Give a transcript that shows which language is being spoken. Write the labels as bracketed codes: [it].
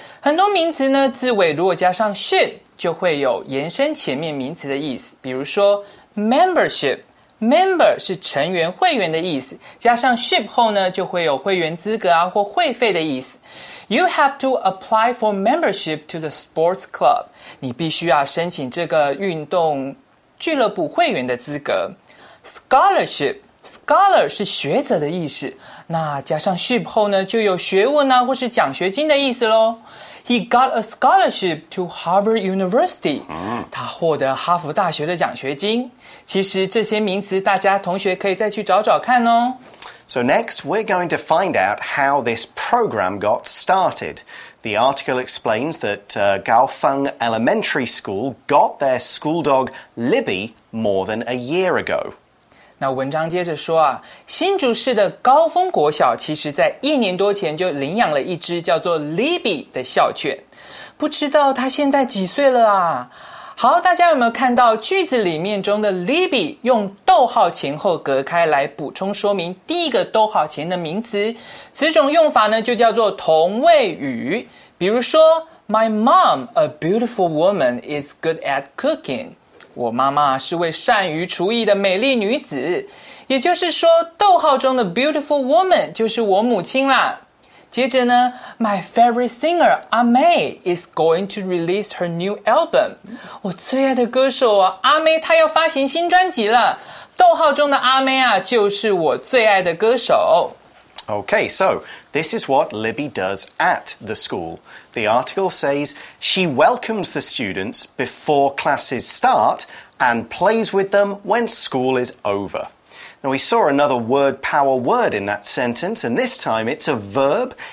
[zh] 很多名词呢，字尾如果加上 ship， 就会有延伸前面名词的意思，比如说 membership。 Member 是成员、会员的意思，加上 ship 后呢，就会有会员资格啊或会费的意思。 [en] You have to apply for membership to the sports club. [zh] 你必须要申请这个运动俱乐部会员的资格。 Scholarship, scholar 是学者的意思，那加上 ship 后呢，就有学问啊或是奖学金的意思咯。 [en] He got a scholarship to Harvard University. [zh] 他获得哈佛大学的奖学金。其实这些名词大家同学可以再去找找看哦。 [en] So next, we're going to find out how this program got started. The article explains that Gaofeng Elementary School got their school dog Libby more than a year ago. [zh] 那文章接着说啊，新竹市的高峰国小其实在一年多前就领养了一只叫做 Libby 的校犬。不知道他现在几岁了啊？好，大家有没有看到句子里面中的 Libby 用逗号前后隔开来补充说明第一个逗号前的名词？此种用法呢，就叫做同位语。比如说 [en] ，My mom, a beautiful woman, is good at cooking. [zh] 我妈妈是位善于厨艺的美丽女子。也就是说，逗号中的 beautiful woman 就是我母亲啦。接着呢 [en] ，My favorite singer 阿妹 is going to release her new album。 [zh] 我最爱的歌手啊，阿妹她要发行新专辑了。逗号中的阿妹啊，就是我最爱的歌手。 [en] Okay, so this is what Libby does at the school. The article says she welcomes the students before classes start and plays with them when school is over. Now, we saw another word power word in that sentence, and this time it's a verb.